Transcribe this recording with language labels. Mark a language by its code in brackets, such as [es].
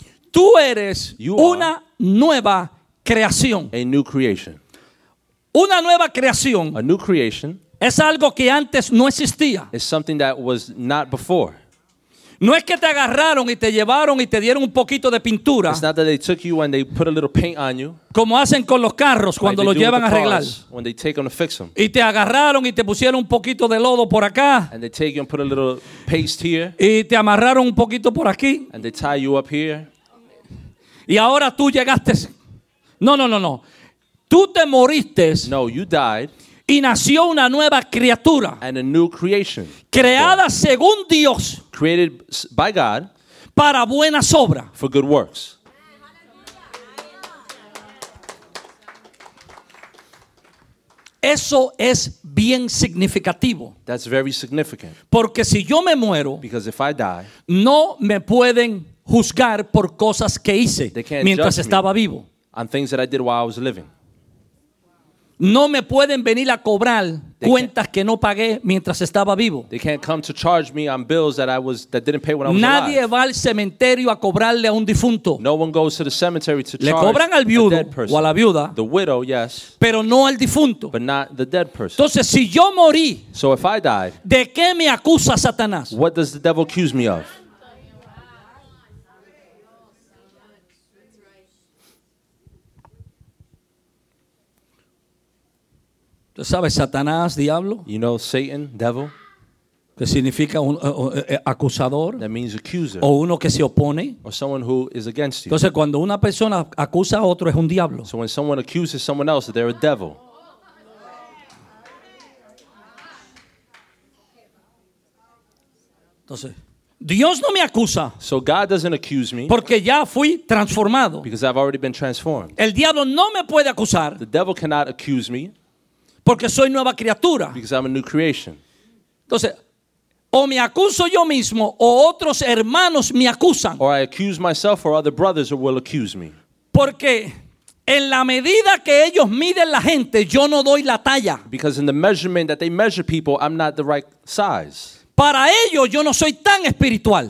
[es] Tú eres una nueva creación. [en] A new creation. [es] Una nueva creación. [en] A new creation. [es] Es algo que antes no existía. [en] It's something that was not before. [es] No es que te agarraron y te llevaron y te dieron un poquito de pintura. [en] It's not that they took you and they put a little paint on you. [es] Como hacen con los carros cuando los llevan a arreglar. [en] When they take them to fix them. [es] Y te agarraron y te pusieron un poquito de lodo por acá. [en] And they take you and put a little paste here. [es] Y te amarraron un poquito por aquí. [en] And they tie you up here. [es] Y ahora tú llegaste. No, no, no, no. Tú te moriste. [en] No, you died. [es] Y nació una nueva criatura. [en] And a new creation. [es] Creada según Dios. [en] Created by God. [es] Para buenas obras. [en] For good works. [es] Eso es bien significativo. [en] That's very significant. [es] Porque si yo me muero. [en] Because if I die. [es] No me pueden juzgar por cosas que hice mientras estaba vivo. [en] On things that I did while I was living. [es] No me pueden venir a cobrar cuentas que no pagué mientras estaba vivo. [en] They can't come to charge me on bills that I was that didn't pay when I was alive. [es] Nadie va al cementerio a cobrarle a un difunto. [en] No one goes to the cemetery to charge. [es] Le cobran al viudo o a la viuda. [en] The widow, yes. [es] Pero no al difunto. [en] But not the dead person. [es] Entonces, si yo morí, [en] so if I died, [es] ¿de qué me acusa Satanás? [en] What does the devil accuse me of? [es] ¿Sabes Satanás, diablo? [en] You know Satan, devil. [es] Que significa un acusador. [en] That means accuser. [es] O uno que se opone. [en] Or someone who is against you. [es] Entonces cuando una persona acusa a otro es un diablo. [en] So when someone accuses someone else, they're a devil. [es] Entonces, Dios no me acusa. [en] So God doesn't accuse me. [es] Porque ya fui transformado. [en] Because I've already been transformed. [es] El diablo no me puede acusar. [en] The devil cannot accuse me. [es] Porque soy nueva criatura. [en] Because I'm a new creation. [es] Entonces, o me acuso yo mismo o otros hermanos me acusan. [en] Or I accuse myself or other brothers will accuse me. [es] Porque en la medida que ellos miden la gente, yo no doy la talla. [en] Because in the measurement that they measure people, I'm not the right size. [es] Para ellos yo no soy tan espiritual.